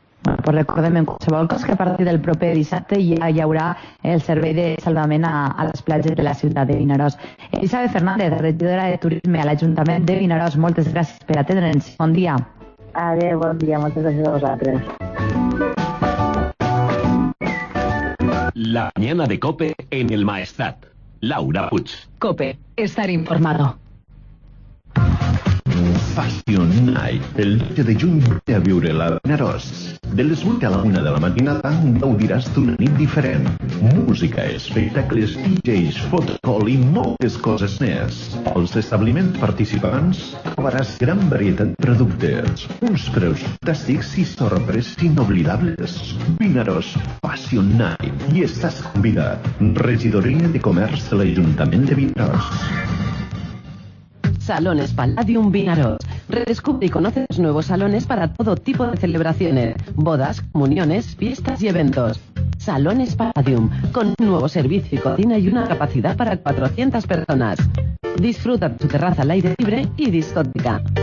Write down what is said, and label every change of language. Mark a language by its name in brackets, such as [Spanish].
[Catalan] Bueno, pues recordem en qualsevol cas que a partir del proper dissabte ja hi haurà el servei de salvament a les platges de la ciutat de Vinaròs. Elisabet Fernández, regidora de Turisme a l'Ajuntament de Vinaròs, moltes gràcies per atendre'ns. Bon dia. Adéu, bon dia. Moltes gràcies a vosaltres. [Spanish] La mañana de COPE en el Maestrat. Laura Puig. COPE. Estar informado. [Catalan] Fashion Night, el 12 de juny, ve a viure-la a Vinaròs. De les 8 a la 1 de la matinada gaudiràs d'una nit diferent. Música, espectacles, DJs, fotocall i moltes coses més. Als establiments participants trobaràs gran varietat de productes, uns preus fantàstics i sorpreses inoblidables. Vinaròs Fashion Night, i estàs convidat. Regidoria de Comerç de l'Ajuntament de Vinaròs. [Spanish] Salones Palladium Vinaròs. Redescubre y conoce los nuevos salones para todo tipo de celebraciones, bodas, comuniones, fiestas y eventos. Salones Palladium, con un nuevo servicio y cocina y una capacidad para 400 personas. Disfruta de tu terraza al aire libre y discoteca.